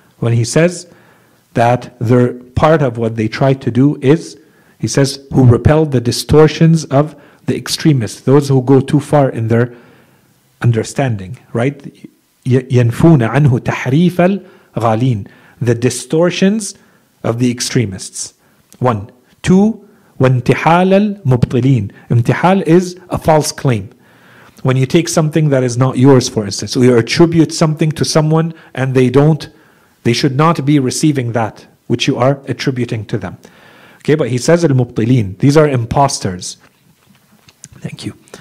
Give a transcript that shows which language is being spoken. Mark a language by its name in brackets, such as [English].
[English] When he says that their part of what they try to do is, he says, who repel the distortions of the extremists, those who go too far in their understanding, right? [Arabic] ينفون عنه تحريف الغالين, [English] the distortions of the extremists. One. [Arabic] Two, وانتحال المبطلين. [English] امتحال is a false claim. When you take something that is not yours, for instance, or you attribute something to someone and they should not be receiving that which you are attributing to them. Okay, but he says al-mubtilin, these are imposters. Thank you.